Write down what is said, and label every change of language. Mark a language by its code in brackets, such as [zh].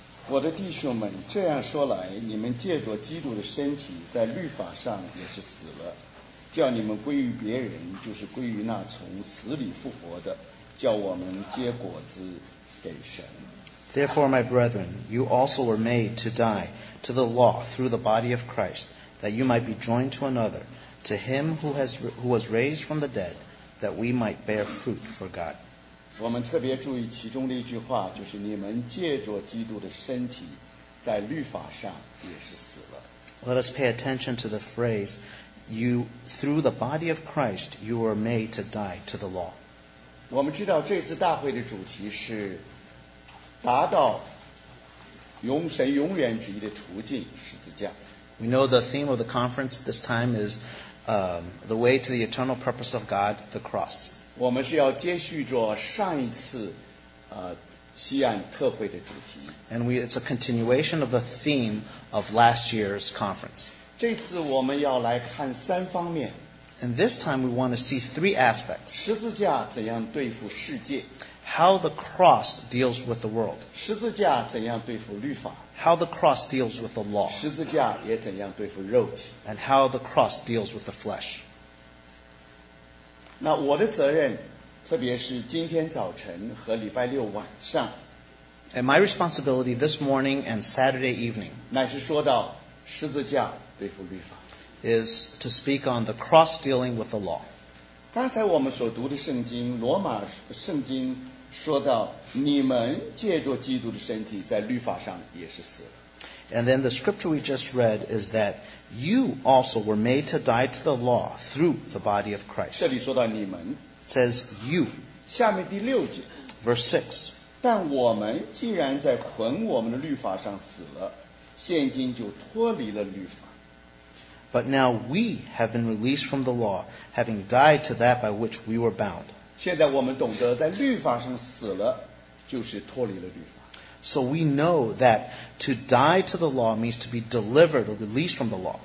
[zh] 我的弟兄们，这样说来，你们借着基督的身体，在律法上也是死了，叫你们归于别人，就是归于那从死里复活的，叫我们结果子给神。 [en] Therefore, my brethren, you also were made to die to the law through the body of Christ, that you might be joined to another, to him who was raised from the dead, that we might bear fruit for God. [zh] 我们特别注意其中的一句话，就是你们借着基督的身体，在律法上也是死了。 [en] Let us pay attention to the phrase, "You through the body of Christ, you were made to die to the law." [zh] 我们知道这次大会的主题是达到永神永远旨意的途径——十字架。 [en] We know the theme of the conference this time is, the way to the eternal purpose of God, the cross. [zh] 我们是要接续着上一次，西岸特会的主题。 [en] And it's a continuation of the theme of last year's conference. [zh] 这次我们要来看三方面。 [en] And this time we want to see three aspects. [zh] 十字架怎样对付世界 [en] ？How the cross deals with the world. [zh] 十字架怎样对付律法 [en] ？How the cross deals with the law. [zh] 十字架也怎样对付肉体 [en] ？And how the cross deals with the flesh. [zh] 那我的责任，特别是今天早晨和礼拜六晚上。 [en] And my responsibility this morning and Saturday evening. [zh] 乃是说到十字架对付律法。 [en] Is to speak on the cross dealing with the law. [zh] 刚才我们所读的圣经，罗马圣经说到，你们借着基督的身体，在律法上也是死了。 [en] And then the scripture we just read is that you also were made to die to the law through the body of Christ. [zh] 这里说到你们 [en] says you. [zh] 下面第六节 [en] verse 6. [zh] 但我们既然在捆我们的律法上死了，现今就脱离了律法。 [en] But now we have been released from the law, having died to that by which we were bound. [zh] 现在我们懂得在律法上死了，就是脱离了律法。 [en] So we know that to die to the law means to be delivered or released from the law.